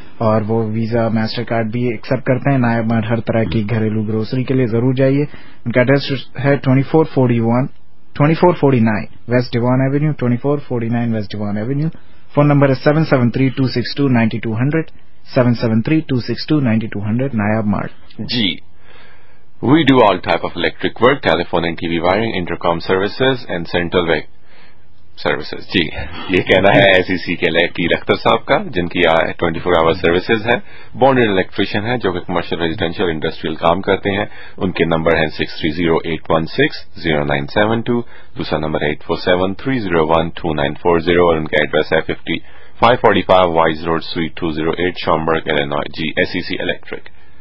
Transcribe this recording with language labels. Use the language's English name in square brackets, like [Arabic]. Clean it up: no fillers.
[Hindi] और वो visa master card भी एक्सेप्ट करते हैं नायब मार्ट हर तरह की घरेलू ग्रोसरी के लिए जरूर जाइए उनका एड्रेस है 2449 waste Devon Avenue 2449 waste Devon Avenue phone number है 7732629200 [English] We do all type of electric work, telephone and TV wiring, intercom services and central vac services. [Hindi] जी ये कहना है SEC के इलेक्ट्री रखतर साहब का जिनकी 24 आवर सर्विसेज है बॉन्डेड इलेक्ट्रिशियन है जो कि कमर्शियल रेजिडेंशियल इंडस्ट्रियल काम करते हैं उनके नंबर हैं 6308160972 दूसरा नंबर है 8473012940 और उनका एड्रेस है 5545 wise road sweet 208 Schaumburg Illinois जी SEC इलेक्ट्रिक